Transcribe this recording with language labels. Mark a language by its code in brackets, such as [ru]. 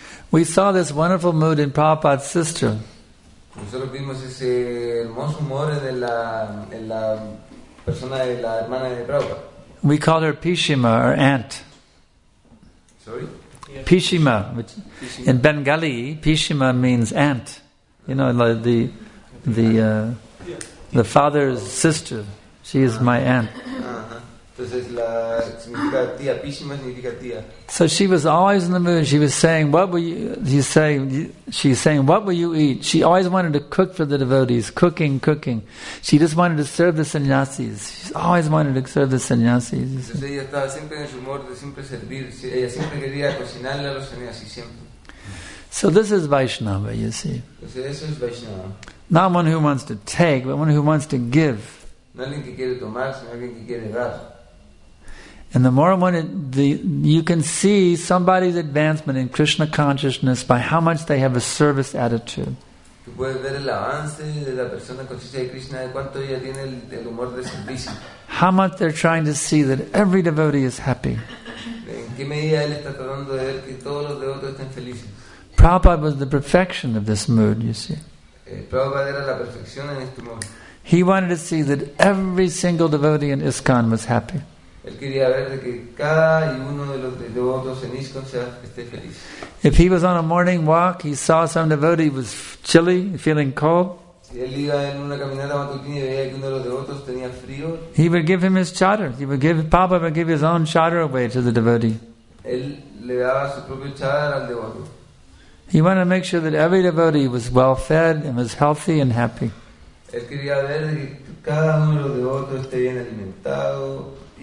[en] We saw this wonderful mood in Prabhupada's sister. [es] Nosotros vimos ese hermoso humor en la persona de la hermana de Prabhupada. [en] We call her Pishima, or aunt. Sorry? Yes. Pishima, which Pishima. In Bengali, Pishima means aunt. You know, like the father's sister. She is my aunt. Uh-huh. [es] Entonces la significa tía, Pishma significa tía. [en] So she was always in the mood. She was saying, "What will you say?" She's saying, "What will you eat?" She always wanted to cook for the devotees. Cooking. She just wanted to serve the sannyasis. She always wanted to serve the sannyasis. [es] Entonces ella estaba siempre en su humor de siempre servir. Ella siempre quería cocinarle a los sannyasis siempre. [en] So this is Vaishnava, you see. [es] Entonces eso es Vaishnava. [en] Not one who wants to take, but one who wants to give. [es] No alguien que quiere tomar, sino alguien que quiere dar. [en] And the more one, you can see somebody's advancement in Krishna consciousness by how much they have a service attitude. [es] Tú puedes ver el avance de la persona en conciencia de Krishna, de cuánto ella tiene el humor de servicio. [en] How much they're trying to see that every devotee is happy. [es] En qué medida él está tratando de ver que todos los devotos estén felices. [en] Prabhupada was the perfection of this mood, you see. [es] Prabhupada era la perfección en este mood. [en] He wanted to see that every single devotee in ISKCON was happy. [es] Él quería ver de que cada uno de los devotos en ISKCON esté feliz. [en] If he was on a morning walk, he saw some devotee was chilly, feeling cold. [es] Si él iba en una caminata matutina y veía que uno de los devotos tenía frío. [en] He would give him his charter. He would give Papa would give his own charter away to the devotee. [es] Él le daba su propio charter al devoto. [en] He wanted to make sure that every devotee was well fed and was healthy and happy. [es] Él quería ver de que cada uno de los devotos esté bien alimentado.